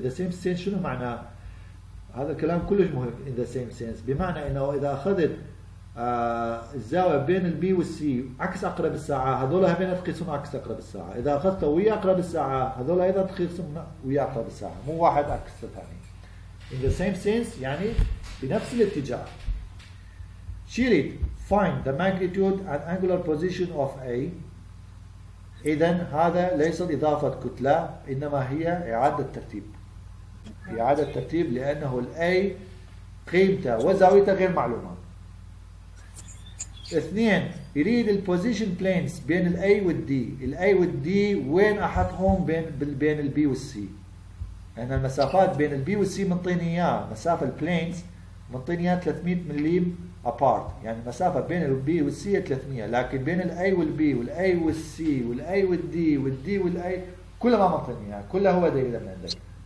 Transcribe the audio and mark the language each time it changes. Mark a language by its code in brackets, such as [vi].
[en] In the same sense [ar] شنو معنى هذا الكلام؟ كلش مهم. [en] In the same sense [ar] بمعنى انه اذا اخذت الزاوية بين البي والسي عكس اقرب الساعة، هذول هبين تقيسون عكس اقرب الساعة. اذا اخذته ويا اقرب الساعة، هذول ايضا تقيسون ويا اقرب الساعة، مو واحد عكس الثاني. [en] In the same sense [ar] يعني بنفس الاتجاه. [en] She read, find the magnitude and angular position of A. [ar] اذا هذا ليس اضافة كتلة، انما هي اعادة ترتيب، اعادة ترتيب، لانه الـ A قيمته وزاويته غير معلومة. اثنين، يريد البوزيشن بلينز بين الاي والدي، الاي والدي وين احطهم بين البي والسي؟ لان المسافات بين البي والسي منطيني اياها، مسافه البلينز منطيني اياها 300 ملي ابارت، يعني المسافه بين البي والسي 300، لكن بين الاي والبي والاي والسي والاي والدي والدي والاي كلها ما منطيني اياها، كلها هو دليل من عندك.